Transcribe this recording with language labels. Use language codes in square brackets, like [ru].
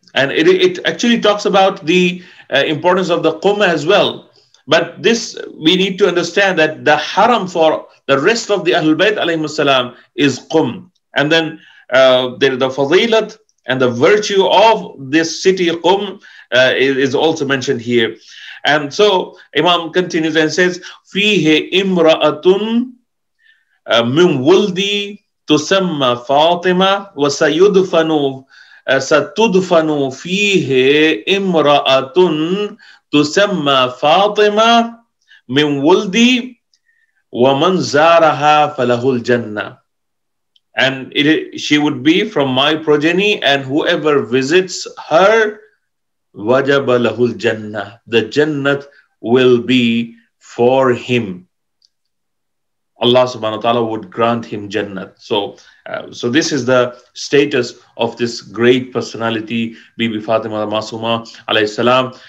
[en] And it actually talks about the importance of the Qum as well. But this, we need to understand that the haram for the rest of the Ahlul Bayt alayhi salam is Qum. And then there the fadilat and the virtue of this city Qum is also mentioned here. And so Imam continues and says, [ar] "Fihi imra'atun min wuldi تسمى فاطمة وسيدفن ستدفن فيه امرأة تسمى فاطمة من ولدي ومن زارها فله الجنة." [en] And she would be from my progeny, and whoever visits her, [ar] وجب له الجنة, [en] the Jannah will be for him. Allah subhanahu wa ta'ala would grant him Jannah. So this is the status of this great personality, Bibi Fatima al-Masuma alayhi salam.